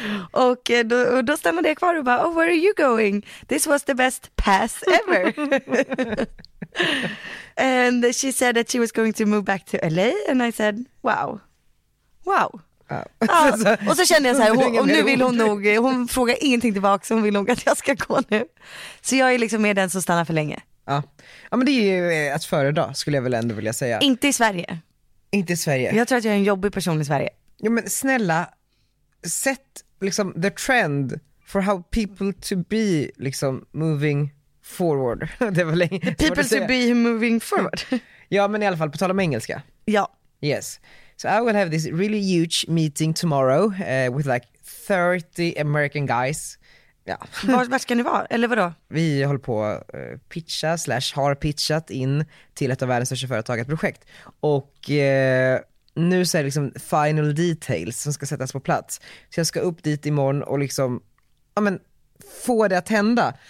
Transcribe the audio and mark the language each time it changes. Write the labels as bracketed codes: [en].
[sv] Och då stannade jag kvar och bara, oh, [en] where are you going? This was the best pass ever. And she said that she was going to move back to LA. And I said, wow. Wow. Oh. [sv] Ah, och så kände jag så här, och nu vill hon nog, hon frågar ingenting tillbaka, så hon vill nog att jag ska gå nu. Så jag är liksom med den som stannar för länge. Ja, ja, men det är ju att föredra, skulle jag väl ändå vilja säga. Inte i Sverige. Inte i Sverige. Jag tror att jag är en jobbig person i Sverige. Ja, men snälla, sätt liksom [en] the trend for how people to be [sv] liksom [en] moving forward. [sv] Det var länge. [en] People to be moving forward. [sv] Ja, men i alla fall på tal om engelska. Ja. [en] Yes. So I will have this really huge meeting tomorrow with like 30 American guys. [sv] Ja. Var ska ni vara? Eller vadå? Vi håller på att pitcha slash har pitchat in till ett av världens största företag, ett projekt. Och nu så är det liksom final details som ska sättas på plats. Så jag ska upp dit imorgon och liksom, ja men, få det att hända.